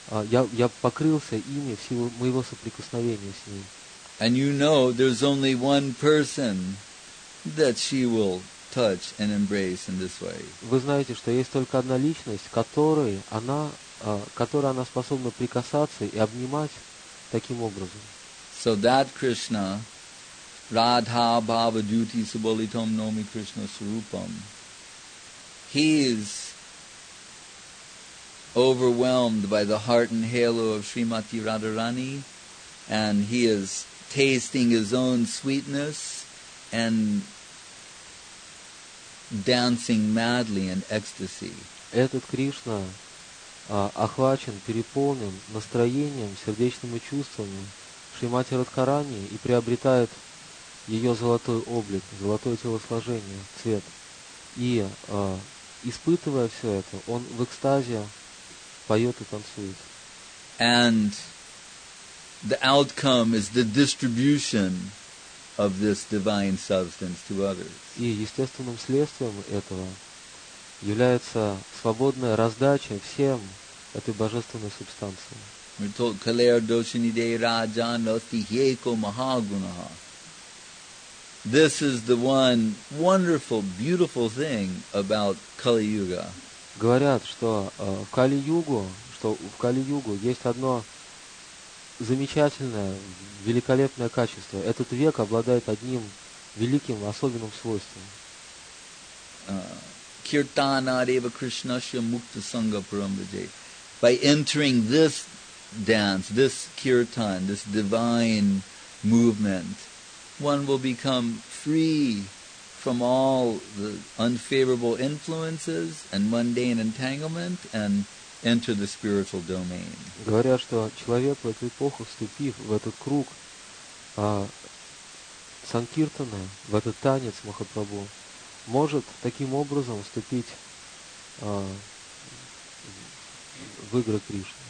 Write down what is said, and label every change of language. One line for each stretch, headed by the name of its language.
Russian: Я покрылся ими в силу моего соприкосновения с ней.
English: And you know there's only one person that she will touch and embrace in this way.
Russian: Вы знаете, что есть только одна личность, которой она способна прикасаться и обнимать таким образом.
English: So that Krishna,
Sanskrit: Radha Bhava Duti Subalitam Nomi Krishna Sarupam,
English: he is overwhelmed by the heart and halo of Srimati Radharani, and he is tasting his own sweetness and dancing madly in ecstasy.
Russian: Этот Кришна охвачен, переполнен настроением, сердечным и чувствами Шримати Радхарани и приобретает ее золотой облик, золотое телосложение, цвет. И испытывая все это, он в экстазе поет и танцует.
English: And the outcome is the distribution of this divine substance to others.
Russian: И естественным следствием этого является свободная раздача всем этой божественной субстанции.
English: We're told,
Sanskrit: Kalair Doshinide Rajan Nasti Hyeko Mahagunaha.
English: This is the one wonderful, beautiful thing about Kali Yuga.
Russian: Говорят, что в Кали-Югу, что в Кали-Югу есть одно замечательное, великолепное качество. Этот век обладает одним великим, особенным свойством.
Sanskrit: Kirtana Deva Krishnasya Mukta Sangha Parambhajay.
English: By entering this dance, this kirtan, this divine movement, one will become free from all the unfavorable influences and mundane entanglement and enter the spiritual domain.
Russian: Говорят, что человек в эту эпоху, вступив в этот круг санкиртаны, в этот танец Махапрабху, может таким образом вступить в игры Кришны.